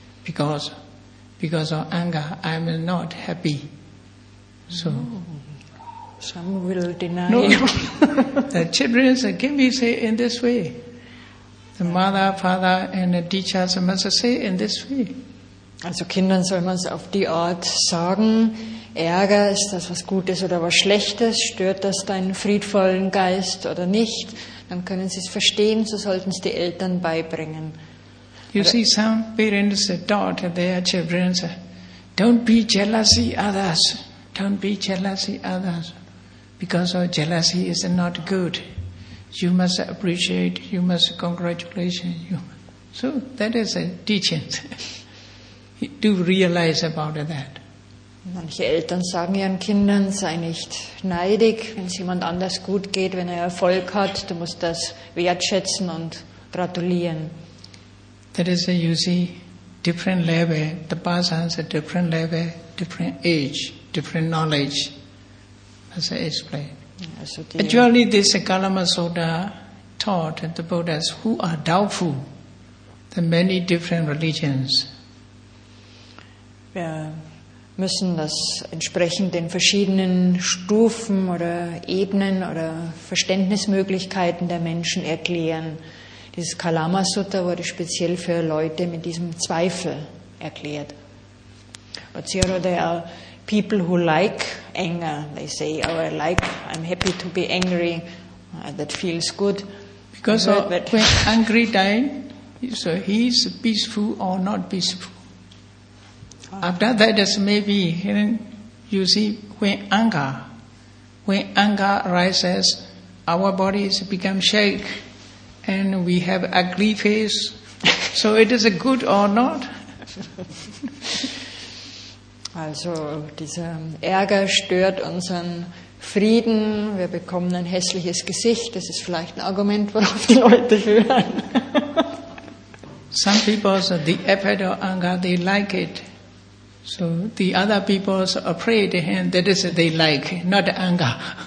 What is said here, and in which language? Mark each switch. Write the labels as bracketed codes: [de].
[en] Because of anger, I am not happy. So, some will deny. No. The children can be say in this way. The mother, father and the teachers must say in this way. [de] Also Kindern soll man es auf die Art sagen, Ärger, ist das was Gutes oder was Schlechtes? Stört das deinen friedvollen Geist oder nicht? Dann können sie es verstehen, so sollten es die Eltern beibringen. [en] You see, some parents taught their children, don't be jealousy others, because of jealousy is not good. You must appreciate, you must congratulate you. So that is a teaching. Do realize about that. [de] Manche Eltern sagen ihren Kindern, sei nicht neidig, wenn es jemand anders gut geht, wenn er Erfolg hat, du musst das wertschätzen und gratulieren. [en] That is, you see, different level, the person has a different level, different age, different knowledge, as I explained. Actually, this Kalama Sutta taught the Buddhas who are doubtful, the many different religions. [de] Wir müssen das entsprechend den verschiedenen Stufen oder Ebenen oder Verständnismöglichkeiten der Menschen erklären. Dieses Kalama Sutta wurde speziell für Leute mit diesem Zweifel erklärt. [en] But there are people who like anger. They say, oh, I like, I'm happy to be angry. That feels good. Because when angry time, so he is peaceful or not peaceful. After that, as maybe, you see, when anger arises, our bodies become shake, and we have ugly face. So it is a good or not? [de] Also, dieser Ärger stört unseren Frieden. Wir bekommen ein hässliches Gesicht. Das ist vielleicht ein Argument, worauf die Leute hören. [en] Some people, so the effect of anger, they like it. So the other people afraid of him, that is they like, not anger.